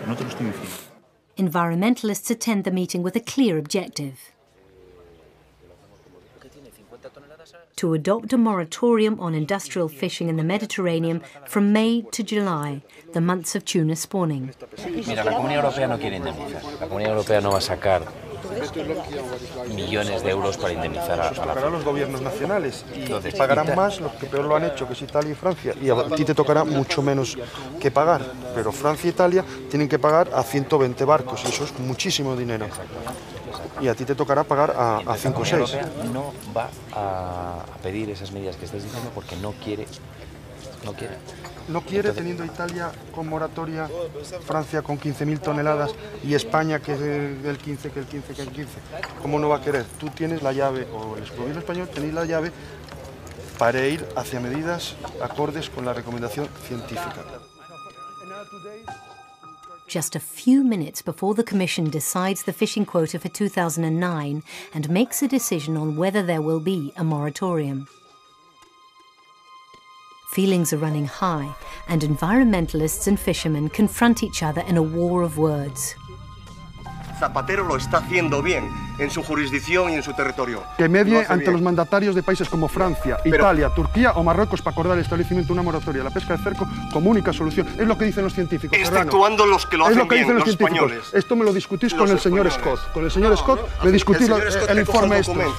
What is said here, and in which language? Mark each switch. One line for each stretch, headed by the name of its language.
Spanish: No te lo estoy diciendo.
English: Environmentalists attend the meeting with a clear objective. To adopt a moratorium on industrial fishing in the Mediterranean from May to July, the months of tuna spawning.
Spanish: Mira, la Comunidad Europea no quiere indemnizar. La Comunidad Europea no va a sacar millones de euros para indemnizar a la los gobiernos nacionales y entonces, pagarán más los que peor lo han hecho, que es Italia y Francia, y a ti te tocará mucho menos que pagar, pero Francia e Italia tienen que pagar a 120 barcos y eso es muchísimo dinero. Y a ti te tocará pagar a 5 o 6. No va a pedir esas medidas que estás diciendo porque no quiere. No quiere. No quiere. Entonces, teniendo Italia con moratoria, Francia con 15.000 toneladas y España que es el 15, que el 15, que el 15. ¿Cómo no va a querer? Tú tienes la llave, o el gobierno español tenéis la llave para ir hacia medidas acordes con la recomendación científica.
English: Just a few minutes before the Commission decides the fishing quota for 2009 and makes a decision on whether there will be a moratorium. Feelings are running high, and environmentalists and fishermen confront each other in a war of words.
Spanish: Zapatero lo está haciendo bien en su jurisdicción y en su territorio. Que medie ante los mandatarios de países como Francia, Italia, Turquía o Marruecos para acordar el establecimiento de una moratoria de la pesca de cerco como única solución. Es lo que dicen los científicos. Está actuando los que lo hacen bien, los españoles. Esto me lo discutís con el señor Scott. Con el señor Scott me discutís el informe este.